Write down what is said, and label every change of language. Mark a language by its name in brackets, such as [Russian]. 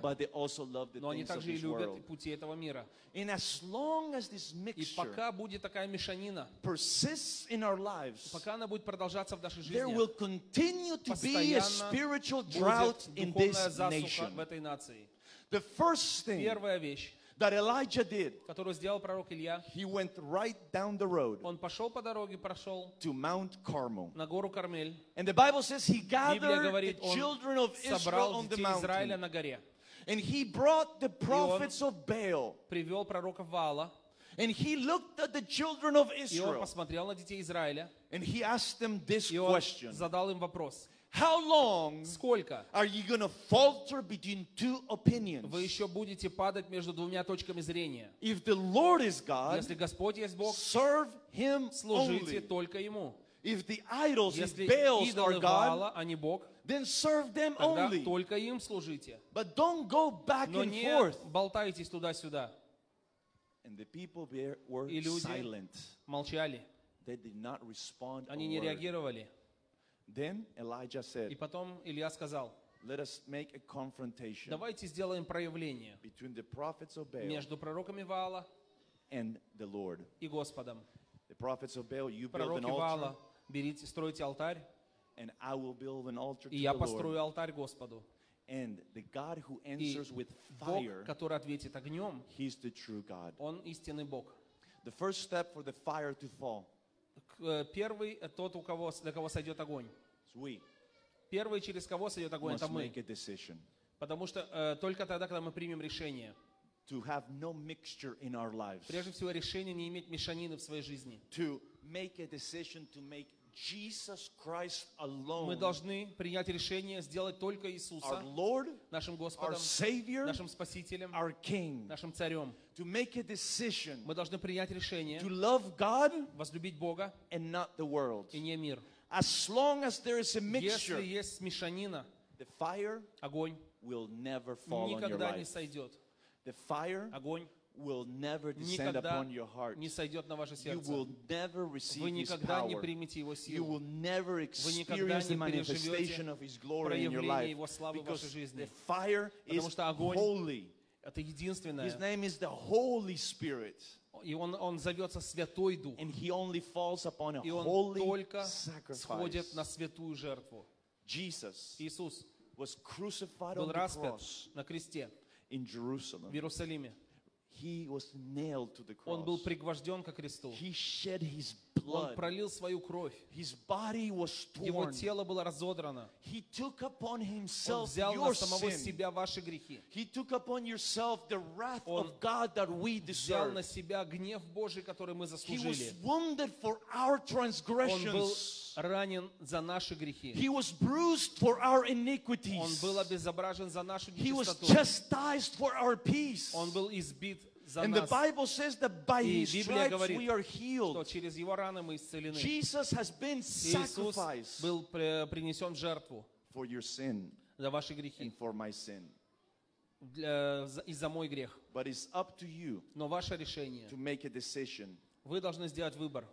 [English] But they also love the things of this world. [Russian] Пути этого мира. [English] And as long as this mixture, [Russian] и пока будет такая мешанина, [English] persists in our lives, [Russian] пока она будет продолжаться в нашей жизни, [English] there will continue to be a spiritual drought in this nation. [Russian] В этой нации. [English] The first thing. [Russian] Первая вещь. [English] That Elijah did. [Russian] Которую сделал пророк Илья. [English] He went right down the road. [Russian] Он пошел по дороге, прошел. [English] To Mount Carmel. [Russian] На гору Кармель. [English] And the Bible says he gathered the children of Israel on the mountain. [Russian] Израиля на горе. [English] And he brought the prophets of Baal. [Russian] Привел пророков Ваала. [English] And he looked at the children of Israel. [Russian] И он посмотрел на детей Израиля. [English] And he asked them this question. [Russian] Задал им вопрос. [English] How long [Russian] сколько? [English] Are you going to falter between two opinions? [Russian] Вы еще будете падать между двумя точками зрения? [English] If the Lord is God, [Russian] если Господь есть Бог, [English] serve Him [Russian] служите [English] only. [Russian] Только Ему. [English] If the idols, [Russian] если [English] if Baals are God, [Russian] Ваала, а не Бог, [English] then serve them only. [Russian] Тогда только им служите. [English] But don't go back [Russian] но [English] and forth. [Russian] Но не болтайтесь туда-сюда. [English] And the people were silent. [Russian] И люди молчали. [English] They did not respond. [Russian] Они не реагировали. [English] Then Elijah said, [Russian] и потом Илья сказал, [English] let us make a confrontation [Russian] давайте сделаем проявление [English] between the prophets of Baal [Russian] между пророками Ваала [English] and the Lord. [Russian] И Господом. [English] The prophets of Baal, you [Russian] пророки [English] build an altar, [Russian] Ваала, берите, стройте алтарь, [English] and I will build an altar [Russian] и я построю алтарь Господу. [English] And the God who answers with fire, [Russian] Бог, который ответит огнем, [English] he's the true God. [Russian] Он истинный Бог. [English] The first step for the fire to fall. [Russian] Первый тот, у кого, для кого сойдет огонь. [English] We. [Russian] Первый, через кого сойдет огонь, [English] must [Russian] это мы. [English] Make a decision. [Russian] Потому что только тогда, когда мы примем решение. [English] To have no mixture in our lives. [Russian] Прежде всего, решение не иметь мешанины в своей жизни. [English] To make a decision to make Jesus Christ alone. [Russian] Мы должны принять решение сделать только Иисуса [English] our Lord, [Russian] нашим Господом, [English] our Savior, [Russian] нашим Спасителем, [English] our King. [Russian] Нашим Царем. [English] To make a decision. [Russian] Мы должны принять решение [English] to love God, [Russian] возлюбить Бога, [English] and not the world. [Russian] И не мир. [English] As long as there is a mixture, [Russian] если есть мешанина, [English] the fire, [Russian] огонь, [English] will never fall on your life. [Russian] Никогда не сойдет. [English] The fire, [Russian] огонь, [English] will never descend upon your heart. [Russian] Не сойдет на ваше сердце. [English] You will never receive his power. You will never experience the manifestation of his glory in your life. Because the fire is holy. [Russian] Это единственное. [English] His name is the Holy Spirit. [Russian] И он зовется Святой Дух. [English] And he only falls upon a [Russian] и он [English] holy [Russian] только [English] sacrifice. [Russian] Сходит на святую жертву. [English] Jesus [Russian] Иисус [English] was crucified on the cross in Jerusalem. [Russian] В Иерусалиме. [English] He was nailed to the cross. [Russian] Он был пригвождён ко кресту. [English] He shed his blood. [Russian] Он пролил свою кровь. [English] His body was torn. [Russian] Его тело было разодрано. [English] He took upon himself [Russian] Он взял [English] your [Russian] на самого [English] sin. [Russian] Себя ваши грехи. [English] He took upon yourself the wrath [Russian] Он [English] of God that we deserve. [Russian] Взял на себя гнев Божий, который мы заслужили. [English] He was wounded for our transgressions. [Russian] Он был ранен за наши грехи. [English] He was bruised for our iniquities. [Russian] Он был обезображен за нашу нечистоту. [English] He was chastised for our peace. [Russian] Он был избит [English] And the Bible says that by His stripes [Russian] говорит, [English] we are healed. [Russian] Что через его раны мы исцелены. [English] Jesus has been sacrificed [Russian] был принесен в жертву [English] for your sin [Russian] за ваши грехи. [English] And for my sin. [Russian] Из-за мой грех. [English] But it's up to you [Russian] Но ваше решение [English] to make a decision [Russian] вы должны сделать выбор